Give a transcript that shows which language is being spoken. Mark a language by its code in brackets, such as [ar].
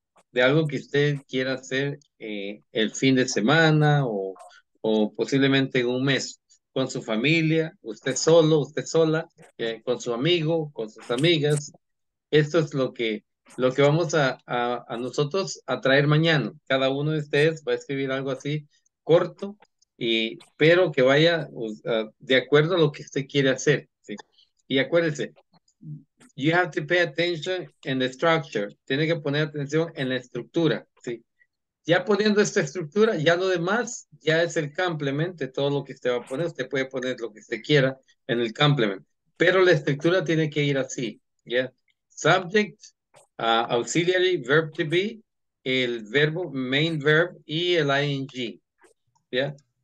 [es] De algo que usted quiera hacer el fin de semana o posiblemente en un mes con su familia, usted solo, usted sola, con su amigo, con sus amigas. Esto es lo que lo que vamos a nosotros a traer mañana. Cada uno de ustedes va a escribir algo así corto, y pero que vaya de acuerdo a lo que usted quiere hacer, ¿sí? Y acuérdense, [en] you have to pay attention in the structure. [es] Tiene que poner atención en la estructura, ¿sí? Ya poniendo esta estructura, ya lo demás ya es el complement, todo lo que usted va a poner. Usted puede poner lo que usted quiera en el complement, pero la estructura tiene que ir así, ¿ya? [en] Subject, auxiliary, verb to be, [es] el verbo, [en] main verb, y el ing, ¿ya?